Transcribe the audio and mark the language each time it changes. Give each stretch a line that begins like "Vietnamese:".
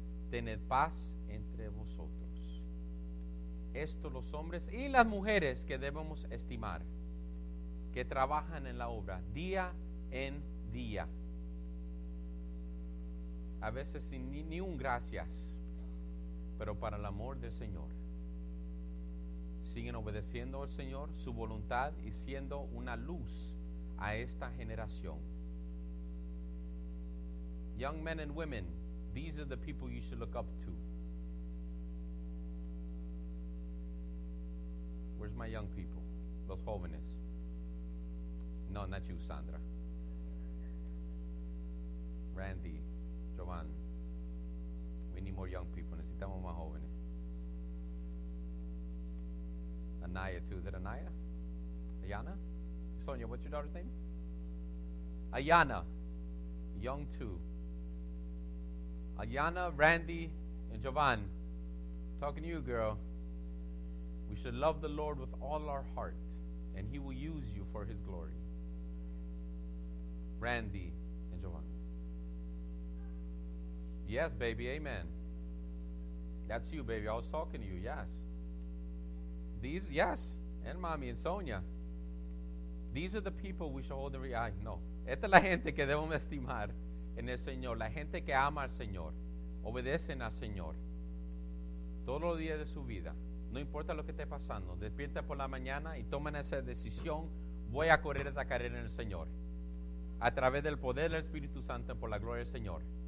Spanish: Tened paz entre vosotros. Estos los hombres y las mujeres que debemos estimar, que trabajan en la obra día en día, a veces sin ni un gracias, pero para el amor del Señor siguen obedeciendo al Señor, su voluntad, y siendo una luz a esta generación.
English: Young men and women, these are the people you should look up to. Where's my young people?
Spanish: Los jóvenes.
English: No, not you, Sandra. Randy, Jovan. We need more young people.
Spanish: Necesitamos más jóvenes.
English: Anaya, too. Is it Anaya? Ayana? Sonia, what's your daughter's name? Ayana. Young, too. Ayana, Randy, and Jovan. Talking to you, girl. We should love the Lord with all our heart, and He will use you for His glory. Randy and Jovan. Yes, baby, amen. That's you, baby. I was talking to you, yes. These, yes, and mommy and Sonia. These are the people we should hold in reality. No.
Spanish: Esta es la gente que debemos estimar en el Señor. La gente que ama al Señor. Obedecen al Señor. Todos los días de su vida. No importa lo que esté pasando. Despierta por la mañana y tomen esa decisión. Voy a correr esta carrera en el Señor. A través del poder del Espíritu Santo por la gloria del Señor.